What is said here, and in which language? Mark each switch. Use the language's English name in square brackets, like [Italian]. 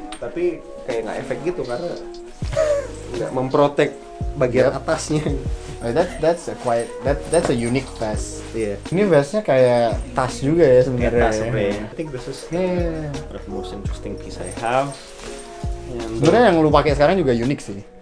[Indonesian] Tapi kayak gak efek gitu karena gak memprotek bagian atasnya. [English] That's a unique vest. Yeah. [Indonesian] Ini vestnya kayak tas juga ya sebenarnya. [English] Yeah, I think this is one of the most interesting piece I have. [Indonesian] Sebenarnya yang lu pakai sekarang juga unik sih.